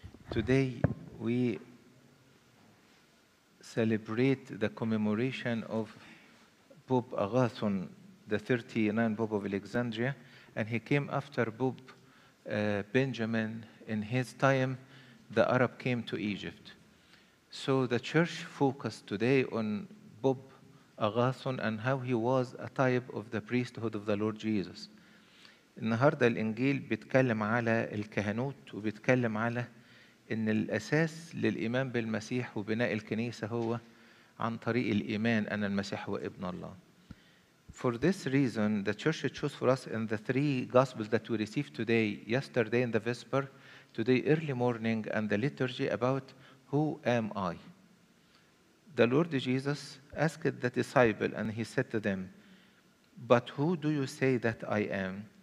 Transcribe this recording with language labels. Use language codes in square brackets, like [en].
[en] Today we celebrate the commemoration of Pope Agathon, the 39th Pope of Alexandria, and he came after Pope Benjamin. In his time, the Arab came to Egypt. So the church focused today on Pope Agathon and how he was a type of the priesthood of the Lord Jesus. [ar] النهاردة الإنجيل بيتكلم على الكهنوت وبيتكلم على إن الأساس للإيمان بالمسيح وبناء الكنيسة هو عن طريق الإيمان أن المسيح هو ابن الله. [en] For this reason, the church chose for us in the three gospels that we received today, yesterday in the vesper, today early morning, and the liturgy about who am I. The Lord Jesus asked the disciple and he said to them, but who do you say that I am?